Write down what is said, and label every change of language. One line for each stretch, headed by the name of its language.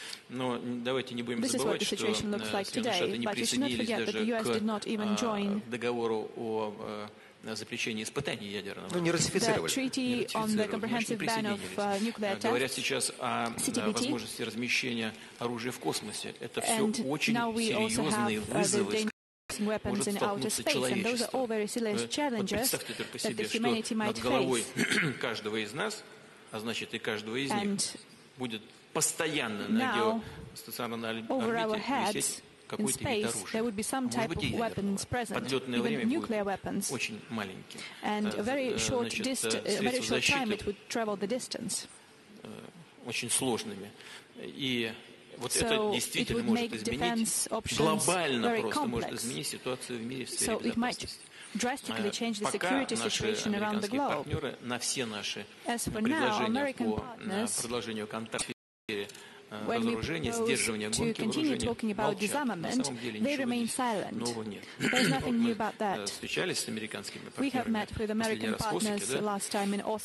Russian: Но давайте не будем забывать, что Соединенные Штаты не присоединились даже к договору о запрещении испытаний ядерного. Ну, не ратифицировали. Не ратифицировали. Говорят сейчас о возможности размещения оружия в космосе. Это все очень серьезные вызовы.
English: Weapons in outer space, and those are all very serious challenges that the humanity might face.
Russian: Каждого из нас, а значит и каждого из них, будет постоянно
English: over our heads in space, there would be some type of weapons present, even nuclear weapons, and a very short distance, very short time it would travel the distance.
Russian: Очень сложными. И вот это действительно может изменить глобально просто может изменить ситуацию в мире в сфере безопасности.
English: Drastically change the security situation around the globe. As for now, American partners, when we propose to continue talking about disarmament, they remain silent. There's nothing new about that. We have met with American partners last time in